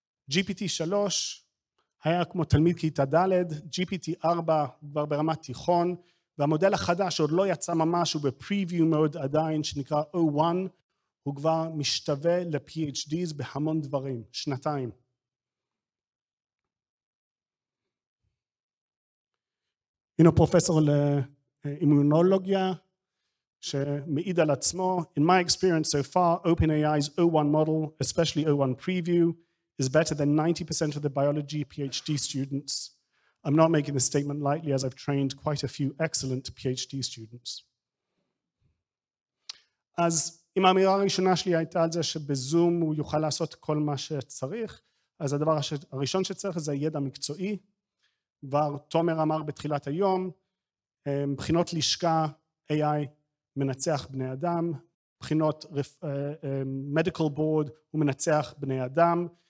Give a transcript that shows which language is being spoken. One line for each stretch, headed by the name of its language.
Hebrew: GPT-3 היה כמו תלמיד כיתה ד', GPT-4 כבר ברמת תיכון, והמודל החדש עוד לא יצא ממש, הוא בפריוויו מאוד עדיין, שנקרא O1, הוא כבר משתווה ל-PhDs בהמון דברים, שנתיים. הנה פרופסור לאימונולוגיה שמעיד על עצמו.
English: In my experience so far, OpenAI's O1 model, especially O1 preview, is better than 90% of the biology PhD students. I'm not making this statement lightly as I've trained quite a few excellent PhD students.
Hebrew: אז אם האמירה הראשונה שלי הייתה על זה שבזום הוא יוכל לעשות כל מה שצריך, אז הדבר הראשון שצריך זה ידע מקצועי. כבר תומר אמר בתחילת היום, בחינות לשכה AI מנצח בני אדם, בחינות medical board הוא מנצח בני אדם,